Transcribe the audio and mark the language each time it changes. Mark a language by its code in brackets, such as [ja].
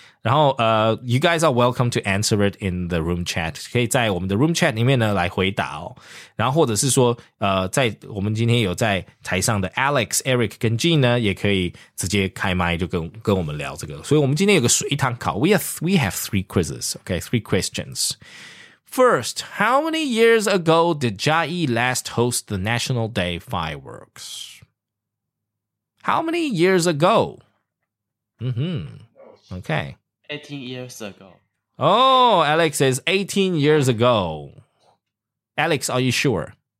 [zh] 然后 [en] you guys are welcome to answer it in the room chat. [zh] 可以在我们的 room chat 里面呢来回答哦。然后或者是说在我们今天有在台上的 Alex, Eric 跟 Jean 呢也可以直接开麦就跟我们聊这个。所以我们今天有个随堂考。 [en] We have three quizzes. Okay, three questions. First, how many years ago did Jai last host the National Day fireworks? How many years ago? Mm-hmm. Okay. 18 years ago. Oh, Alex says 18 years ago. Alex, are you sure?